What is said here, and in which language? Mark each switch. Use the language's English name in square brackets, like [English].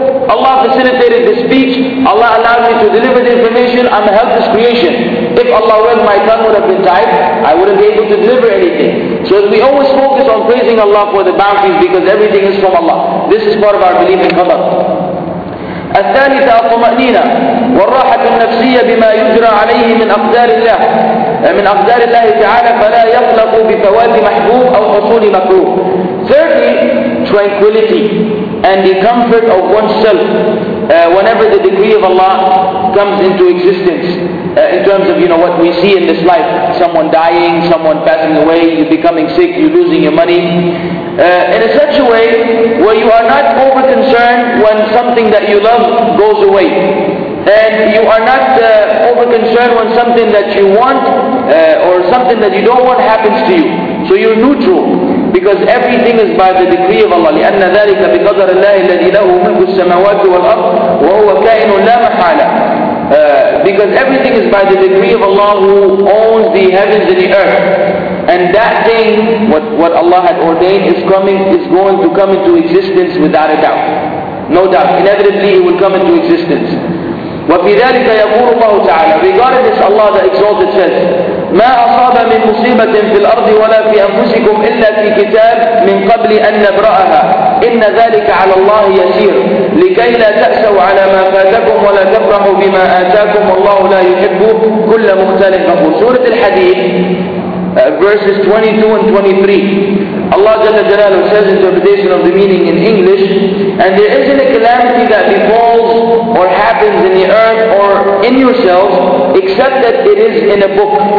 [English] Allah facilitated the speech. Allah allowed me to deliver the information. I'm a helpless creation. If Allah willed, my tongue would have been tied. I wouldn't be able to deliver anything." So we always focus on praising Allah for the bounties, because everything is from Allah. This is part of our belief in qadar. [Arabic] الثالثة الطمأنينة والراحة النفسية بما يجرى عليه من أقدار الله من أقدار الله تعالى فلا يقلق بفوات محبوب أو حصول مكروه. [English] Thirdly, tranquility and the comfort of oneself whenever the decree of Allah comes into existence, in terms of, you know, what we see in this life, someone dying, someone passing away, you becoming sick, you losing your money. In such a way where you are not over concerned when something that you love goes away, and you are not over concerned when something that you want or something that you don't want happens to you. So you're neutral, because everything is by the decree of Allah. [Arabic] لِأَنَّ ذَلِكَ بِقَدَرِ اللَّهِ الَّذِي لَهُ مُلْكُ السَّمَاوَاتِ وَالْأَرْضِ وَهُوَ كَائِنٌ لَا مَحَالَةٌ. [English] Because everything is by the decree of Allah who owns the heavens and the earth. And that thing, what Allah had ordained, is going to come into existence without a doubt. No doubt. Inevitably it will come into existence. [Arabic] وَبِذَلِكَ يَقُولُ اللَّهُ تَعَالَى. [English] Regarding this, Allah the Exalted says, [Arabic] مَا أَصَابَ مِنْ مُصِيبَةٍ فِي الْأَرْضِ وَلَا فِي أَنفُسِكُمْ إِلَّا فِي كِتَابٍ مِنْ قَبْلِ أَنْ نَبْرَأَهَا إِنَّ ذَلِكَ عَلَى اللَّهِ يَسِيرٌ لِكَيْ لَا تَأْسَوْا عَلَى مَا فَاتَكُمْ وَلَا تَفْرَحُوا بِمَا آتَاكُمْ وَاللَّهُ لَا يُحِبُّ كُلَّ مُخْتَلٍ فَخُورٍ. [English] سورة الحديد, verses 22 and 23. Allah Jalla Jalalu says interpretation of the meaning in English, and there isn't a calamity that befalls or happens in the earth or in yourselves, except that it is in a book.